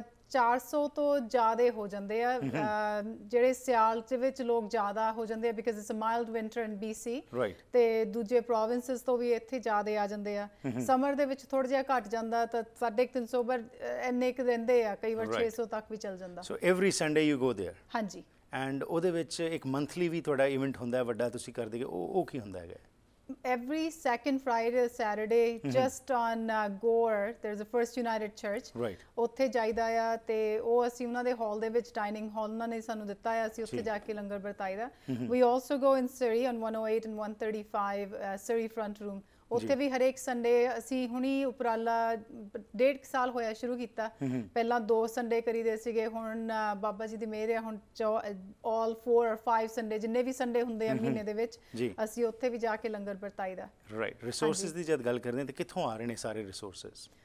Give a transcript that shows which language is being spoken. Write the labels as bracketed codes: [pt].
[pa] 400 ਤੋਂ ਜ਼ਿਆਦਾ ਹੋ ਜਾਂਦੇ ਆ, ਜਿਹੜੇ ਸਿਆਲ ਦੇ ਵਿੱਚ ਲੋਕ ਜ਼ਿਆਦਾ ਹੋ ਜਾਂਦੇ ਆ [en] because it's a mild winter in BC, [pa] ਤੇ ਦੂਜੇ ਪ੍ਰੋਵਿੰਸਸ ਤੋਂ ਵੀ ਇੱਥੇ ਜ਼ਿਆਦਾ ਆ ਜਾਂਦੇ ਆ। ਸਮਰ ਦੇ ਵਿੱਚ ਥੋੜ੍ਹਾ ਜਿਹਾ ਘੱਟ ਜਾਂਦਾ ਤਾਂ 350 ਉਬਰ ਇੰਨੇ ਕੁ ਰਹਿੰਦੇ ਆ, ਕਈ ਵਾਰ 600 ਤੱਕ ਵੀ ਚੱਲ ਜਾਂਦਾ। [en] So every Sunday you go there? [pa] ਹਾਂਜੀ। ਐਂਡ ਉਹਦੇ ਵਿੱਚ ਇੱਕ ਮੰਥਲੀ ਵੀ ਤੁਹਾਡਾ ਇਵੈਂਟ ਹੁੰਦਾ ਹੈ ਵੱਡਾ, ਤੁਸੀਂ ਕਰਦੇ ਹੋ, ਉਹ ਕੀ ਹੁੰਦਾ ਹੈਗਾ? [en] Every second Friday, Saturday, just on Gore, there's a First United Church. Right. [pa] ਉੱਥੇ ਜਾਈਦਾ ਆ ਤੇ ਉਹ ਅਸੀਂ ਉਹਨਾਂ ਦੇ ਹਾਲ ਦੇ ਵਿੱਚ, ਡਾਇਨਿੰਗ ਹਾਲ ਉਹਨਾਂ ਨੇ ਸਾਨੂੰ ਦਿੱਤਾ ਆ, ਅਸੀਂ ਉੱਥੇ ਜਾ ਕੇ ਲੰਗਰ ਵਰਤਾਈਦਾ। [en] We also go in Surrey on 108 and 135, Surrey Front Room. [pa] ਉੱਥੇ ਵੀ ਹਰੇਕ ਸੰਡੇ ਅਸੀਂ, ਹੁਣੀ ਉਪਰਾਲਾ 1.5 ਸਾਲ ਹੋਇਆ ਸ਼ੁਰੂ ਕੀਤਾ, ਪਹਿਲਾਂ 2 ਸੰਡੇ ਕਰੀਦੇ ਸੀਗੇ, ਹੁਣ ਬਾਬਾ ਜੀ ਦੀ ਮਿਹਰ ਆ, ਹੁਣ ਆਲ 4 or 5 ਸੰਡੇ, ਜਿੰਨੇ ਵੀ ਸੰਡੇ ਹੁੰਦੇ ਆ ਮਹੀਨੇ ਦੇ ਵਿੱਚ, ਅਸੀਂ ਉੱਥੇ ਵੀ ਜਾ ਕੇ ਲੰਗਰ ਵਰਤਾਈਦਾ। ਰਾਈਟ, ਰਿਸੋਰਸਿਸ ਦੀ ਜਦ ਗੱਲ ਕਰਦੇ ਤਾਂ ਕਿੱਥੋਂ ਆ ਰਹੇ ਨੇ ਸਾਰੇ ਰਿਸੋਰਸਿਸ?